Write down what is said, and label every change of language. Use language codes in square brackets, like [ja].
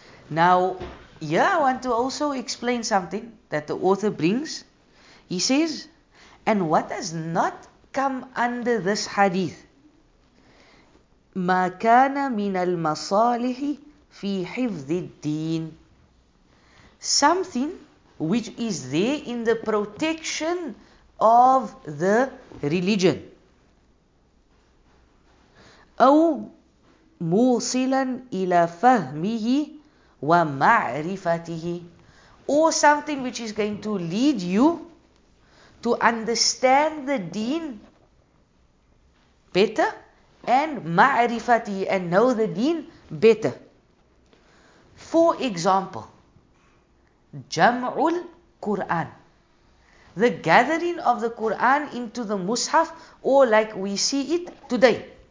[en] Now, Yeah, I want to also explain something that the author brings. He says, and what has not come under this hadith? [ar] ما كان من المصالح في حفظ الدين. [en] Something which is there in the protection of the religion. [ar] أو موصلا إلى فهمه ومعرفته. [en] Or something which is going to lead you to understand the deen better and ma'rifati, and know the deen better. For example, jam'ul Qur'an, the gathering of the Qur'an into the mushaf, or like we see it today.